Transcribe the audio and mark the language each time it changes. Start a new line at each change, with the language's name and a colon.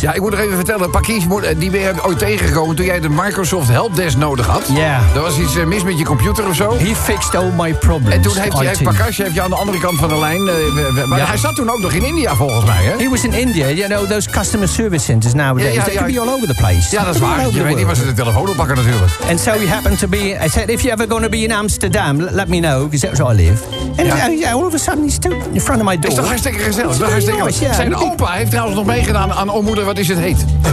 Dutch: Ja, ik moet nog even vertellen, Pakish, die we hebben ooit tegengekomen toen jij de Microsoft helpdesk nodig had. Ja. Yeah. Er was iets mis met je computer of zo.
English: He fixed all my problems.
Dutch: En toen heeft Pakish aan de andere kant van de lijn. Maar hij zat toen ook nog in India volgens mij, hè?
English: He was in India, you know, those customer service centers nowadays. Yeah, they can be all over the place.
Dutch: Ja, dat is waar. Je weet niet waar ze de telefoon op pakken natuurlijk.
English: And so he happened to be. I said, if you're ever going to be in Amsterdam, let me know, because that's where I live. En yeah, all of a sudden he's still in front of my door.
Dutch: Is toch hartstikke gezellig? Is toch hartstikke nice, yeah. Zijn opa heeft trouwens nog meegedaan aan Omoeder, wat is het heet?